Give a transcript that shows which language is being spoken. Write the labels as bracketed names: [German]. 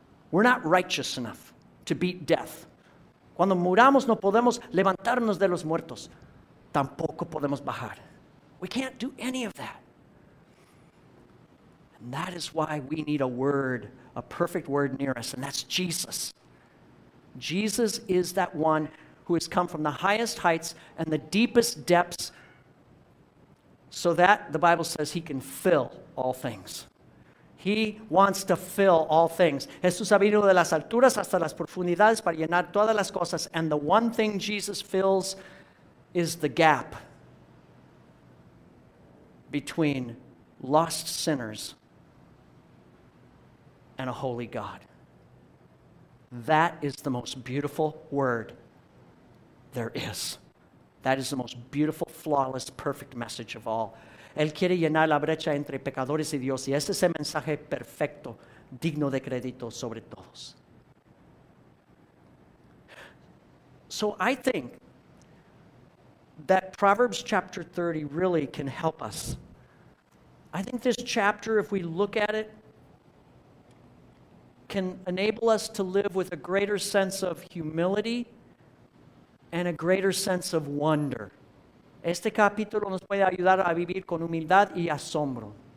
[English] We're not righteous enough to beat death. [Spanish] Cuando muramos, no podemos levantarnos de los muertos. Tampoco podemos bajar. [English] We can't do any of that. And that is why we need a word, a perfect word near us, and that's Jesus. Jesus is that one who has come from the highest heights and the deepest depths so that, the Bible says, he can fill all things. He wants to fill all things. [Spanish] Jesús ha venido de las alturas hasta las profundidades para llenar todas las cosas, [English] and the one thing Jesus fills is the gap between lost sinners and a holy God. That is the most beautiful word there is. That is the most beautiful, flawless, perfect message of all. [Spanish] Él quiere llenar la brecha entre pecadores y Dios, y ese es el mensaje perfecto, digno de crédito sobre todos. [English] So I think that Proverbs chapter 30 really can help us. I think this chapter, if we look at it, can enable us to live with a greater sense of humility and a greater sense of wonder. [Spanish] Este capítulo nos puede ayudar a vivir con humildad y asombro.